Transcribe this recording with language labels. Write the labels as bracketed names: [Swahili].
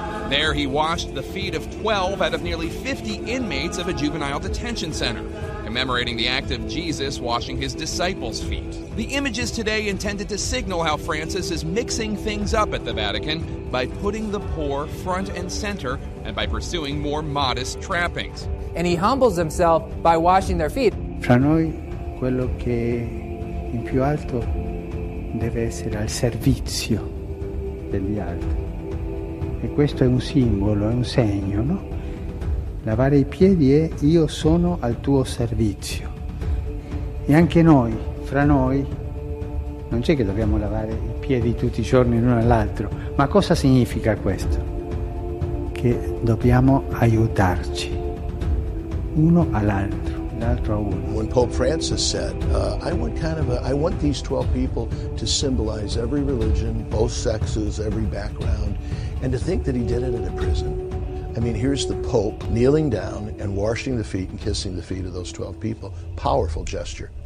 [English] There he washed the feet of 12 out of nearly 50 inmates of a juvenile detention center, commemorating the act of Jesus washing his disciples' feet. The images today intended to signal how Francis is mixing things up at the Vatican by putting the poor front and center and by pursuing more modest trappings. And he humbles himself by washing their feet. [Italian] Fra noi, quello che in più alto deve essere al servizio degli altri. E questo è un simbolo, è un segno, no? Lavare i piedi è io sono al tuo servizio. E anche noi, fra noi, non c'è che dobbiamo lavare i piedi tutti i giorni l'uno all'altro. Ma cosa significa questo? Che dobbiamo aiutarci, uno all'altro, l'altro a uno. [English] When Pope Francis said, I want these 12 people to symbolize every religion, both sexes, every background, and to think that he did it in a prison. I mean, here's the Pope kneeling down and washing the feet and kissing the feet of those 12 people. Powerful gesture.